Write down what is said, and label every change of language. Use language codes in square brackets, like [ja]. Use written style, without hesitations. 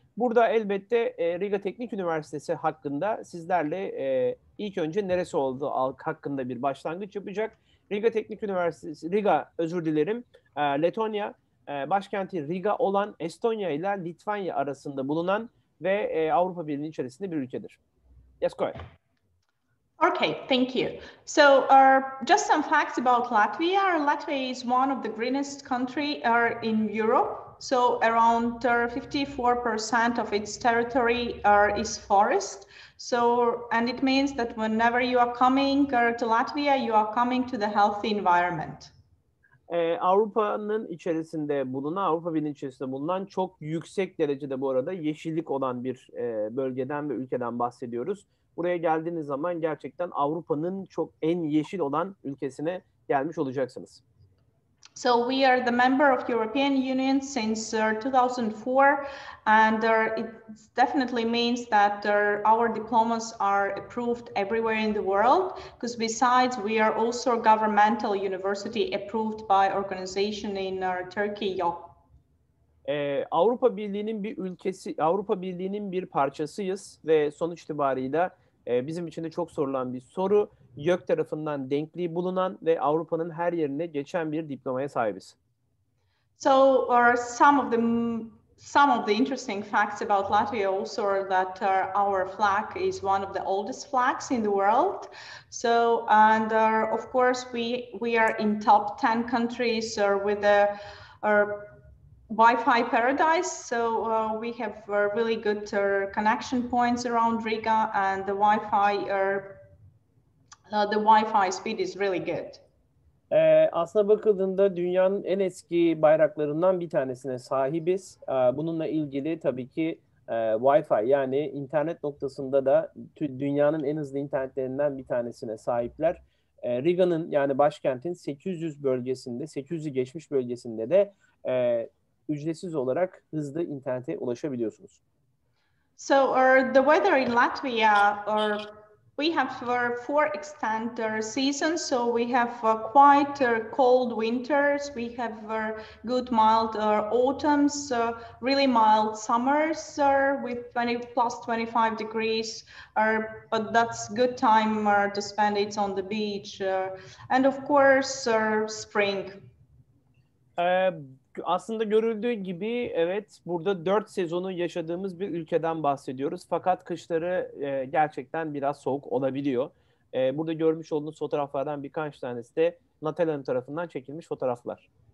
[tr] Burada elbette Riga Teknik Üniversitesi hakkında sizlerle ilk önce neresi olduğu hakkında bir başlangıç yapacak. Riga Teknik Üniversitesi, Riga özür dilerim, Letonya, başkenti Riga olan Estonya ile Litvanya arasında bulunan ve Avrupa Birliği içerisinde bir ülkedir. [en] Yes, go ahead. Okay, thank you. So just some facts about Latvia. Latvia is one of the greenest country in Europe. So around 54% of its territory is forest. So, and it means that whenever you are coming to Latvia, you are coming to the healthy environment. [tr] Avrupa'nın içerisinde bulunan, Avrupa Birliği içerisinde bulunan çok yüksek derecede bu arada yeşillik olan bir bölgeden ve ülkeden bahsediyoruz. Buraya geldiğiniz zaman gerçekten Avrupa'nın çok en yeşil olan ülkesine gelmiş olacaksınız. [en] So we are the member of European Union since 2004 and it definitely means that our diplomas are approved everywhere in the world because besides we are also a governmental university approved by organization in Turkey. [tr] Avrupa Birliği'nin bir ülkesi, Avrupa Birliği'nin bir parçasıyız ve sonuç itibarıyla bizim için de çok sorulan bir soru. YÖK tarafından denkliği bulunan ve Avrupa'nın her yerine geçen bir diplomaya sahibiz. [en] So, or some of the interesting facts about Latvia also are that our flag is one of the oldest flags in the world. So, and of course we are in top 10 countries with a Wi-Fi paradise, so we have really good connection points around Riga and the Wi-Fi the Wi-Fi speed is really good. [tr] Aslına bakıldığında dünyanın en eski bayraklarından bir tanesine sahibiz. Bununla ilgili tabii ki Wi-Fi yani internet noktasında da dünyanın en hızlı internetlerinden bir tanesine sahipler. Riga'nın yani başkentin 800 bölgesinde, 800'ü geçmiş bölgesinde de ücretsiz olarak hızlı internete ulaşabiliyorsunuz. [en] So the weather in Latvia we have four extant seasons, so we have quite cold winters, we have good mild autumns, really mild summers with 20+25 degrees, but that's good time to spend it on the beach and of course spring. [tr] Aslında görüldüğü gibi evet burada dört sezonu yaşadığımız bir ülkeden bahsediyoruz. Fakat kışları gerçekten biraz soğuk olabiliyor. Burada görmüş olduğunuz fotoğraflardan birkaç tanesi de Natalia'nın tarafından çekilmiş fotoğraflar.